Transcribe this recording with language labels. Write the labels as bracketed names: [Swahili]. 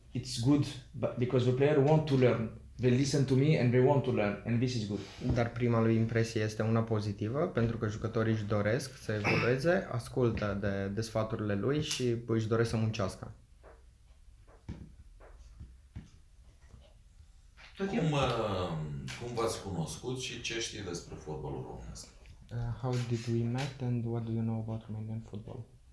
[English] it's good, but because the player want to learn. They listen to me and they want to learn, and this is good. [Romanian] Dar prima lui impresie este una pozitivă, pentru că jucătorii își doresc să evolueze, ascultă de sfaturile lui și își doresc să muncească. Cum v-ați cunoscut și ce știi despre fotbalul românesc? [English] How did we meet and what do you know about Romanian football?